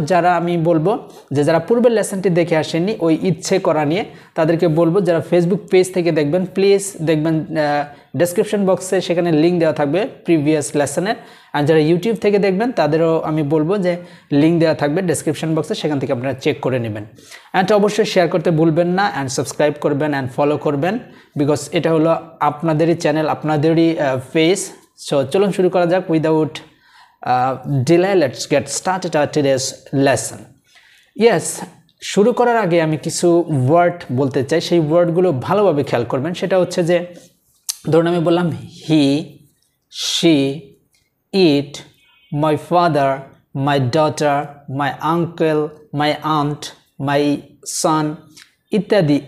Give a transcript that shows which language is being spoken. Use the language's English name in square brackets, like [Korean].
[Bangla] যারা আমি বলবো যে যারা পূর্বের লেসনটি দেখে আসেননি ওই ইচ্ছে করা নিয়ে, তাদেরকে বলবো যারা ফেসবুক পেজ থেকে দেখবেন, প্লিজ দেখবেন ডেসক্রিপশন বক্সে, সেখানে লিঙ্ক দেওয়া থাকবে প্রিভিয়াস লেসনের। আর যারা ইউটিউব থেকে দেখবেন তাদেরও আমি বলবো যে লিঙ্ক দেওয়া থাকবে ডেসক্রিপশন বক্সে, সেখান থেকে আপনারা চেক করে নেবেন। অ্যান্ড অবশ্যই শেয়ার করতে ভুলবেন না, অ্যান্ড সাবস্ক্রাইব করবেন অ্যান্ড ফলো করবেন, বিকজ এটা হলো আপনাদেরই চ্যানেল, আপনাদেরই ফেস। [English] so [Bangla] চলুন শুরু করা যাক [English] Without delay, let's get started our today's lesson. [Bangla] Yes, শুরু করার আগে আমি কিছু ওয়ার্ড বলতে চাই, সেই ওয়ার্ডগুলো ভালোভাবে খেয়াল করবেন। সেটা হচ্ছে যে ধরুন আমি বললাম [English] he, she, it, my father, my daughter, my uncle, my aunt, my son [Bangla] ইত্যাদি।